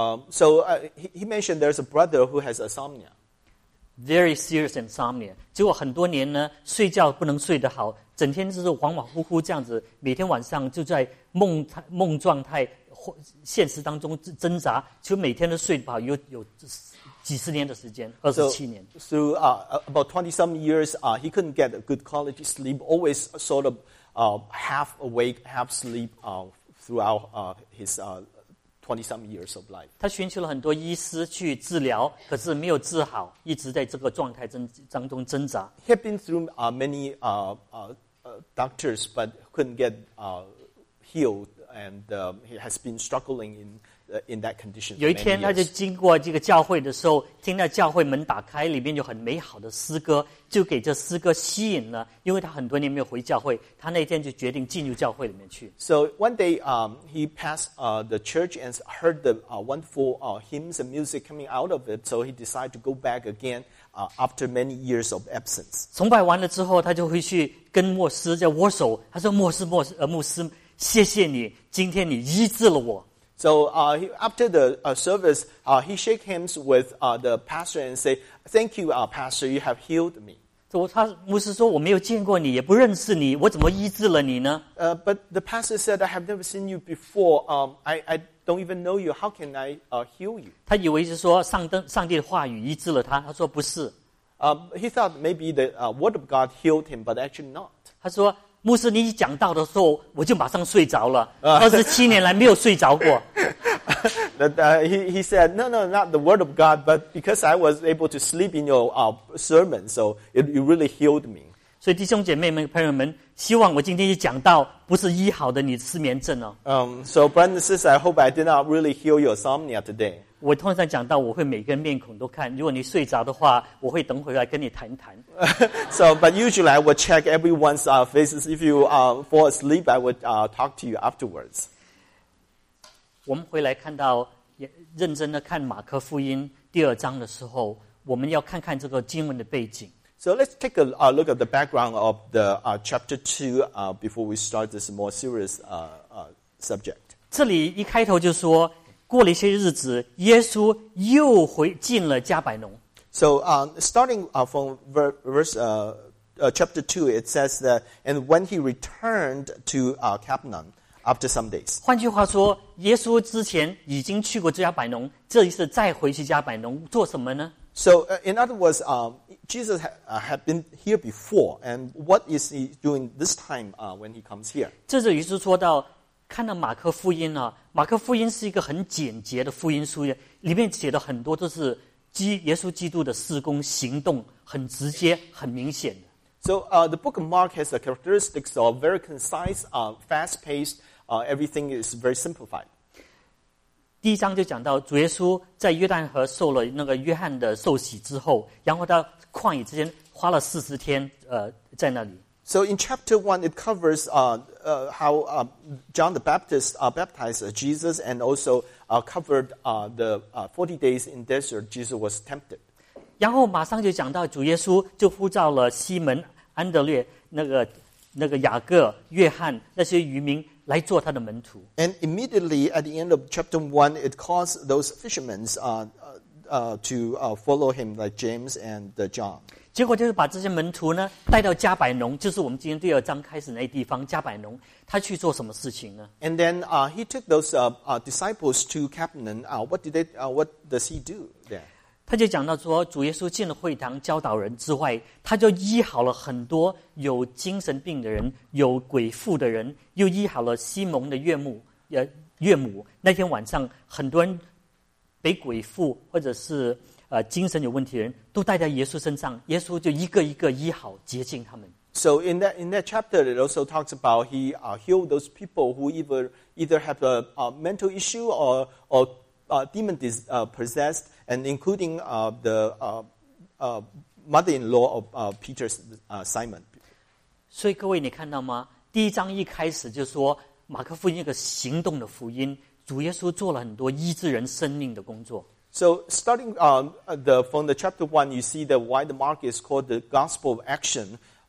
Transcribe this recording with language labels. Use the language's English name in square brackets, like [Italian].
[English] So he mentioned there's a brother who has insomnia. Very serious insomnia. [Chinese] 结果很多年呢，睡觉不能睡得好，整天就是恍恍惚惚这样子，每天晚上就在梦状态或现实当中挣扎，就每天都睡不好，有几十年的时间，27年。 [English] About 20 some years, he couldn't get a good quality sleep. Always sort of half awake, half sleep throughout his 20 some years of life. [Chinese] 他寻求了很多医师去治疗，可是没有治好，一直在这个状态当中挣扎。 [English] He had been through many doctors, but couldn't get healed, and he has been struggling in that condition. [Chinese] 有一天他就经过这个教会的时候，听到教会门打开，里面有很美好的诗歌，就给这诗歌吸引了，因为他很多年没有回教会，他那天就决定进入教会里面去。 [English] So one day he passed the church and heard the wonderful hymns and music coming out of it, so he decided to go back again after many years of absence. [Chinese] 崇拜完了之后，他就回去跟牧师在握手，他说牧师，谢谢你，今天你医治了我。 [English] So after the service, he shake hands with the pastor and say, "Thank you, pastor. You have healed me." [Chinese] So, 他牧师说我没有见过你，也不认识你，我怎么医治了你呢？ [English] But the pastor said, "I have never seen you before. I don't even know you. How can I heal you?" [Chinese] 他以为是说上帝的话语医治了他。他说不是。 [English] He thought maybe the word of God healed him, but actually not. [Chinese] 他说，牧师，你一讲到的时候，我就马上睡着了。 27年来没有睡着过。 [English] he said, no, not the word of God, but because I was able to sleep in your sermon, so it really healed me. [Chinese] 所以弟兄姐妹们、朋友们，希望我今天一讲到，不是医好的你失眠症哦。 [English] So brothers and sisters, I hope I did not really heal your insomnia today. [Chinese] 我通常讲到，我会每个人面孔都看，如果你睡着的话，我会等回来跟你谈一谈。 [English] So, but usually I will check everyone's faces. If you fall asleep, I would talk to you afterwards. [Chinese] 我们回来看到，认真的看马可福音第二章的时候，我们要看看这个经文的背景。 [English] So let's take a look at the background of the chapter 2 before we start this more serious subject. [Chinese] 这里一开头就说，过了一些日子，耶稣又回进了加百农。 [English] So starting from chapter 2, it says that, and when he returned to Capernaum after some days. [Chinese] 换句话说，耶稣之前已经去过加百农，这一次再回去加百农做什么呢？ [English] So, in other words, Jesus had been here before, and what is he doing this time when he comes here? [Chinese] 这就是说到，看到马可福音啊，马可福音是一个很简洁的福音书，里面写的很多都是耶稣基督的事工行动，很直接，很明显的。 [English] So, the book of Mark has the characteristics of very concise, fast-paced, everything is very simplified. [Chinese] 第一章就讲到主耶稣在约旦河受了那个约翰的受洗之后，然后到旷野之间花了40天，在那里。 [English] So in chapter 1, it covers how John the Baptist baptized Jesus, and also covered the 40 days in desert Jesus was tempted. [Chinese] 然后马上就讲到主耶稣就呼召了西门、安德烈、那个雅各、约翰那些渔民来做他的门徒。 [English] And immediately at the end of chapter 1, it calls those fishermen follow him, like James and John. [Chinese] 结果就是把这些门徒呢带到加百农，就是我们今天第二章开始那地方加百农，他去做什么事情呢？ [English] And then he took those disciples to Capernaum. What does he do there? [Chinese] 他就讲到说，主耶稣进了会堂教导人之外，他就医好了很多有精神病的人，有鬼附的人，又医好了西蒙的岳母。那天晚上，很多人被鬼附或者是精神有问题的人都带在耶稣身上，耶稣就一个一个医好洁净他们。 [English] So in that chapter, it also talks about he healed those people who either have a mental issue or demon is possessed, and including mother-in-law of Peter's Simon. [Chinese] 所以各位，你看到吗？第一章一开始就说马可福音一个行动的福音，主耶稣做了很多医治人生命的工作。 [English] So starting from the chapter 1, you see that why the Mark is called the Gospel of Action.